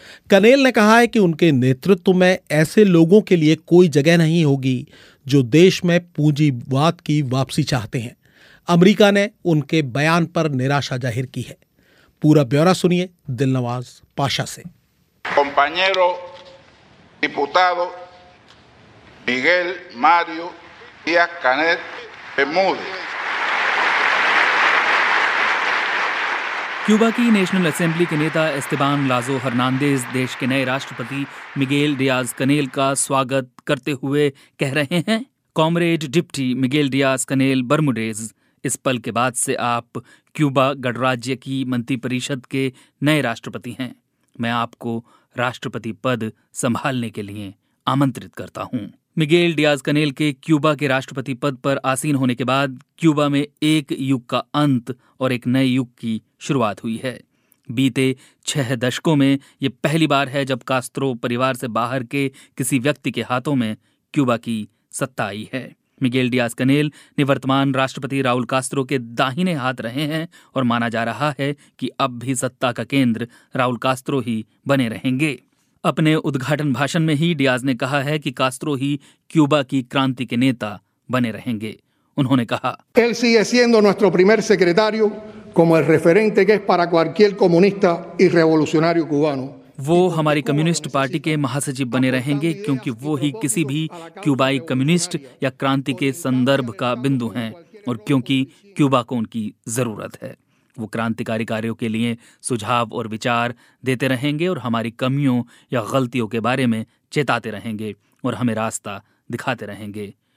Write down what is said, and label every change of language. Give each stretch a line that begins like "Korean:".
Hindi: कनेल ने कहा है कि उनके नेतृत्व में ऐसे लोगों के लिए कोई जगह नहीं होगी जो देश में पूंजीवाद की वापसी चाहते हैं। अमरीका ने उनके बयान पर निराशा जाहिर की है। पूरा ब्यौरा सुनिए दिलनवाज पाशा से।
Spanish: Compañero diputado Miguel Mario Díaz Canel Bermúdez.
Hindi: Cuba की नेशनल असेंबली के नेता एस्तेबान लाजो हर्नांडेज देश के नए राष्ट्रपति मिगेल डियाज कनेल का स्वागत करते हुए कह रहे हैं, कॉमरेड डिप्टी मिगेल डियाज कनेल बर्मुडेज, इस पल के बाद से आप क्यूबा गणराज्य की मंत्रिपरिषद के नए राष्ट्रपति हैं। मैं आपको राष्ट्रपति पद संभालने के लिए आमंत्रित करता हूँ। मिगेल डियाज कनेल के क्यूबा के राष्ट्रपति पद पर आसीन होने के बाद क्यूबा में एक युग का अंत और एक नए युग की शुरुआत हुई है। बीते 6 दशकों में यह पहली बार है जब कास्त्रो परिवार से बाहर के किसी व्यक्ति के हाथों में क्यूबा की सत्ता आई है। मिगेल डियाज कनेल निवर्तमान राष्ट्रपति राउल कास्त्रो के दाहिने हाथ रहे हैं और माना जा रहा है कि अब भी सत्ता का केंद्र राउल कास्त्रो ही बने रहेंगे। अपने उद्घाटन भाषण में ही डियाज ने कहा है कि कास्त्रो ही क्यूबा की क्रांति के नेता बने रहेंगे। उन्होंने कहा,
Spanish: Él sigue siendo nuestro primer secretario como el referente que es para cualquier comunista y revolucionario cubano.
Hindi: वो हमारी कम्युनिस्ट पार्टी के महासचिव बने रहेंगे क्योंकि वो ही किसी भी क्यूबाई कम्युनिस्ट या क्रांति के संदर्भ का बिंदु हैं और क्योंकि क्यूबा को उनकी जरूरत है। वो क्रांतिकारी कार्यों के लिए सुझाव और विचार देते रहेंगे और हमारी कमियों या गलतियों के बारे में चेताते रहेंगे और हमें रास्ता दिखाते रहेंगे।